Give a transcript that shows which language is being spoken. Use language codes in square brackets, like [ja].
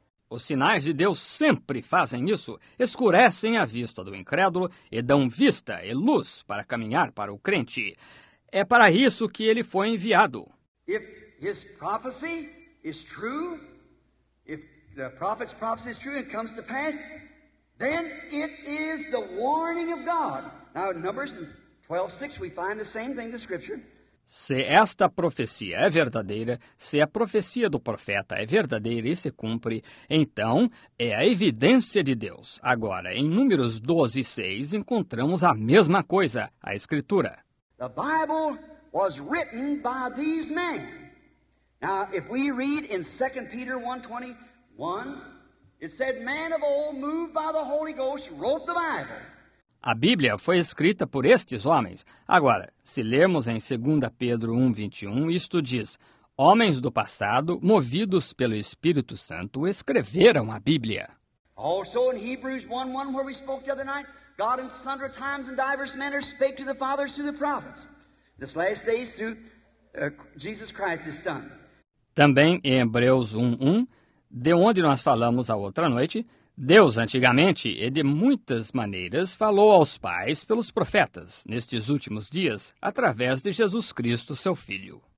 [pt] Os sinais de Deus sempre fazem isso, escurecem a vista do incrédulo e dão vista e luz para caminhar para o crente. É para isso que ele foi enviado. [en] If his prophecy is true, if the prophet's prophecy is true and comes to pass, then it is the warning of God. Now in Numbers 12:6 we find the same thing in the scripture. [pt] Se esta profecia é verdadeira, se a profecia do profeta é verdadeira e se cumpre, então é a evidência de Deus. Agora, em Números 12:6 encontramos a mesma coisa, a Escritura. [en] The Bible was written by these men. Now, if we read in 2 Peter 1:21, it said, "Men of old, moved by the Holy Ghost, wrote the Bible." [pt] A Bíblia foi escrita por estes homens. Agora, se lermos em 2 Pedro 1:21, isto diz: homens do passado, movidos pelo Espírito Santo, escreveram a Bíblia. [en] Also in Hebrews 1:1, where we spoke the other night, God in sundry times and diverse manners spake to the fathers through the prophets. This last day through Jesus Christ, his son. [pt] Também em Hebreus 1:1, de onde nós falamos a outra noite, Deus, antigamente, e de muitas maneiras, falou aos pais pelos profetas, nestes últimos dias, através de Jesus Cristo, seu Filho.